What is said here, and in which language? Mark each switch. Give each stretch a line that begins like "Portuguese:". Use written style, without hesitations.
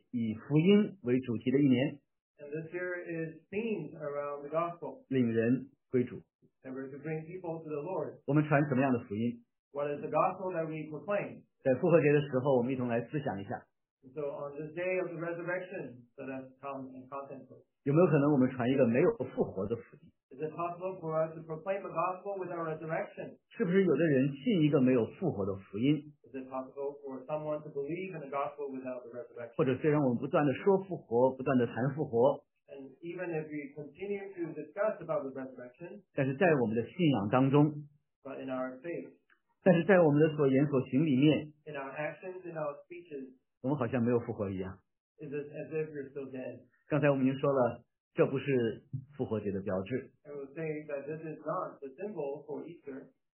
Chinese: 今年也是我们教会以福音为主题的一年。
English: And this year is themed around the gospel.
Chinese: 领人归主。
English: And we're to bring people to the Lord.
Chinese: 我们传什么样的福音？
English: What is the gospel that we proclaim?
Chinese: 在复活节的时候，我们一同来思想一下。
English: So on the day of the resurrection, let us come and contemplate.
Chinese: 有没有可能我们传一个没有复活的福音？
English: Is it possible for us to proclaim the gospel with our resurrection?
Chinese: 是不是有的人信一个没有复活的福音？
English: Is it possible for someone to believe in the gospel without the resurrection?
Chinese: 或者虽然我们不断地说复活，不断地谈复活。
English: And even if we continue to discuss about the resurrection,
Chinese: 但是在我们的信仰当中，
English: but in our faith,
Chinese: 但是在我们的所言所行里面，
English: in our actions, in our speeches,
Chinese: 我们好像没有复活一样。
English: Is it as if you're still dead?
Chinese: 刚才我们已经说了，这不是复活节的标志。
English: I would say that this is not the symbol for Easter.